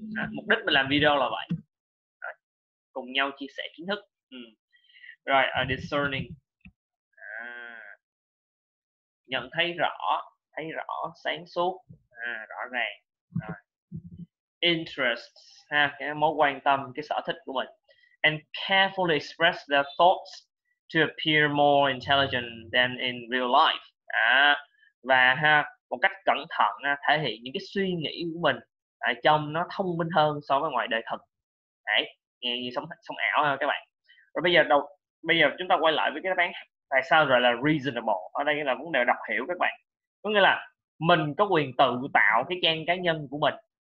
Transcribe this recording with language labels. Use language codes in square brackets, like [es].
[vi] Mục đích mình làm video là vậy. Rồi, cùng nhau chia sẻ kiến thức. Rồi, discerning. Nhận thấy rõ, sáng suốt, rõ ràng. Rồi. Interests, ha, cái mối quan tâm, cái sở thích của mình. [en] And carefully express their thoughts to appear more intelligent than in real life. [vi] Và ha, một cách cẩn thận thể hiện những cái suy nghĩ của mình trông nó thông minh hơn so với ngoài đời thật. Đấy, nghe như sống ảo ha các bạn. Rồi bây giờ chúng ta quay lại với cái đáp án tại sao rồi là reasonable. Ở đây là vấn đề đọc hiểu các bạn. Có nghĩa là mình có quyền tự tạo cái trang cá nhân của mình.